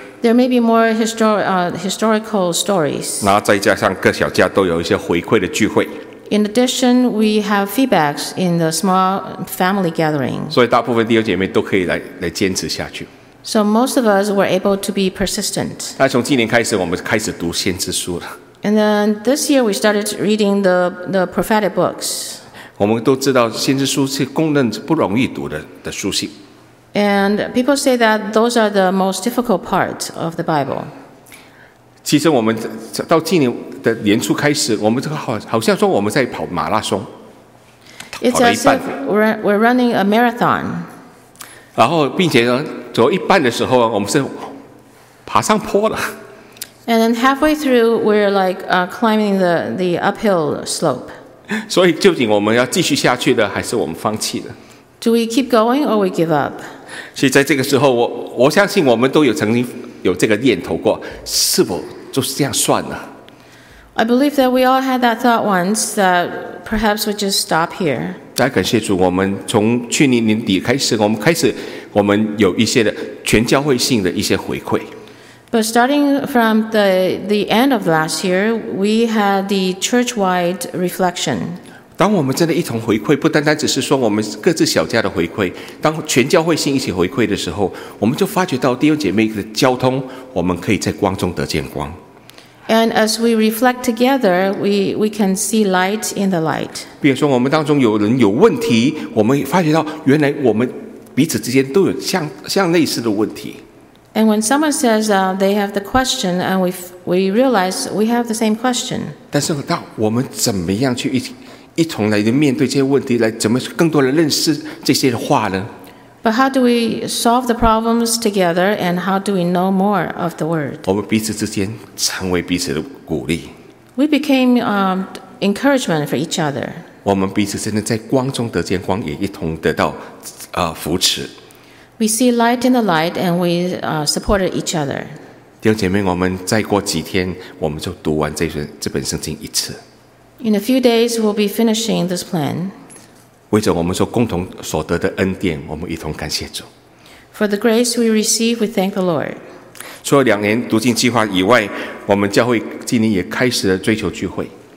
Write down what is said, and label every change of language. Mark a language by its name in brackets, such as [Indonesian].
[English] There may be more historical stories. [Chinese] 然后再加上各小家都有一些回馈的聚会。 [English] In addition, we have feedbacks in the small family gathering. [Chinese] 所以大部分弟兄姐妹都可以 来坚持下去。 [English] So most of us were able to be persistent. [Chinese] 那从今年开始，我们开始读先知书了。 [English] And then this year we started reading the prophetic books. [Chinese] 我们都知道先知书是公认不容易读 的书信。 [English] And people say that those are the most difficult parts of the Bible. [Chinese] 其实我们到今年的年初开始，我们这个 好像说我们在跑马拉松， [English] It's [Chinese] 跑了一半。 [English] We're running a marathon. [Chinese] 然后并且呢，走一半的时候，我们是爬上坡了。 [English] And then halfway through, we're like climbing the uphill slope. [Chinese] 所以究竟我们要继续下去的，还是我们放弃的？ [English] Do we keep going or we give up? [Chinese] 所以在这个时候 我相信我们都有曾经有这个念头过，是否就是这样算了。 [English] I believe that we all had that thought once that perhaps we just stop here. [Chinese] 来感谢主，我们从去年年底开始，我们开始我们有一些的全教会性的一些回馈。 [English] But starting from the end of last year, we had the church-wide reflection. [Chinese] 当我们真的一同回馈，不单单只是说我们各自小家的回馈，当全教会性一起回馈的时候，我们就发觉到弟兄姐妹的交通，我们可以在光中得见光。 [English] And as we reflect together, we can see light in the light. [Chinese] 比如说我们当中有人有问题，我们发觉到原来我们彼此之间都有 像类似的问题。 [English] And when someone says they have the question, and we realize we have the same question. [Chinese] 但是当我们怎么样去一同来面对这些问题，来怎么更多的认识这些话呢？ [English] But how do we solve the problems together, and how do we know more of the word? [Chinese] 我们彼此之间成为彼此的鼓励。 [English] We became encouragement for each other. [Chinese] 我们彼此真的在光中得见光，也一同得到扶持。 [English] We see light in the light, and we supported each other. [Chinese] 弟兄姐妹，我们再过几天，我们就读完这本圣经一次。 [English] In a few days, we'll be finishing this plan. [Chinese] 为着我们所共同所得的恩典，我们一同感谢主。 [English] For the grace we receive, we thank the Lord. [Chinese] 除了两年读经计划以外，我们教会今年也开始了追求聚会。